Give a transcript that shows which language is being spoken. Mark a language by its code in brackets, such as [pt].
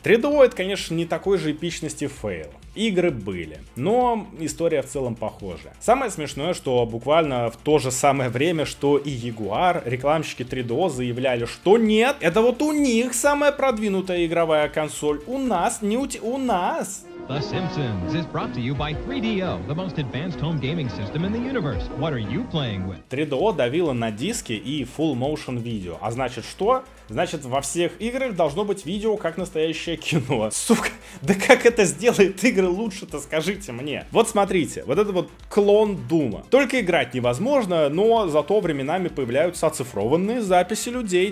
[ru] 3DO это, конечно, не такой же эпичности фейл. Игры были, но история в целом похожа. Самое смешное, что буквально в то же самое время, что и Jaguar, рекламщики 3DO заявляли, что нет, это вот у них самая продвинутая игровая консоль, у нас, не у тебя, у нас. [en] The Simpsons is brought to you by 3DO, the most advanced home gaming system in the universe. What are you playing with? [ru] 3DO давило на диски и full motion видео, а значит что? Значит, во всех играх должно быть видео, как настоящее кино. Сука, да как это сделает игры лучше-то, скажите мне. Вот смотрите, вот это вот клон Дума. Только играть невозможно, но зато временами появляются оцифрованные записи людей.